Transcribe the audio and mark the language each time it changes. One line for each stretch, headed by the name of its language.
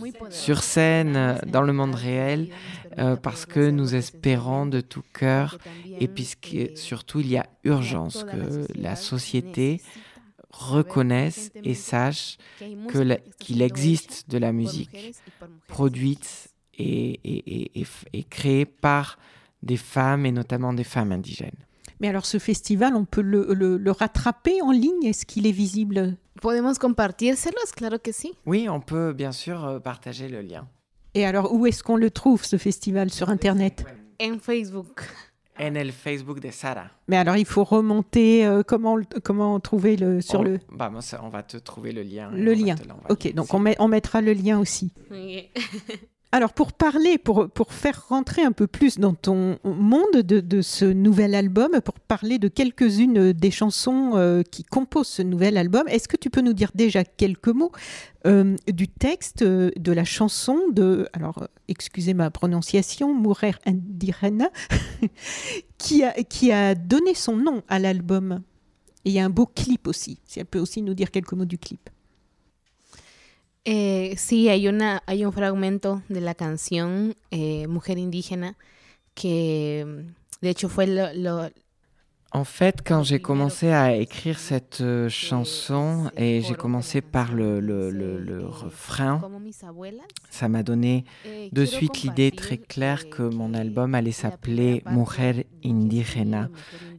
French: Sur scène, dans le monde réel, parce que nous espérons de tout cœur, et puisque surtout il y a urgence que la société reconnaisse et sache qu'il existe de la musique produite et créée par des femmes et notamment des femmes indigènes. Mais alors ce festival, on peut le rattraper en ligne? Est-ce qu'il est visible?
Spanish: Podemos compartírselos, claro que sí.
French: Oui, on peut bien sûr partager le lien. Et alors où est-ce qu'on le trouve ce festival sur Internet?
Spanish: En Facebook. En el Facebook de Sara.
French: Mais alors il faut remonter, comment trouver le sur on, le... Bah, moi, ça, on va te trouver le lien. Le lien, ok, donc on mettra le lien aussi. Alors, pour parler, pour faire rentrer un peu plus dans ton monde de ce nouvel album, pour parler de quelques-unes des chansons qui composent ce nouvel album, est-ce que tu peux nous dire déjà quelques mots du texte de la chanson de, alors, excusez ma prononciation, Mujer Indígena, qui a donné son nom à l'album? Et il y a un beau clip aussi, si elle peut aussi nous dire quelques mots du clip.
Spanish: Sí, hay un fragmento de la canción Mujer Indígena que de hecho fue lo...
French: En fait, quand j'ai commencé à écrire cette chanson et j'ai commencé par le refrain, ça m'a donné de suite l'idée très claire que mon album allait s'appeler « Mujer Indígena ».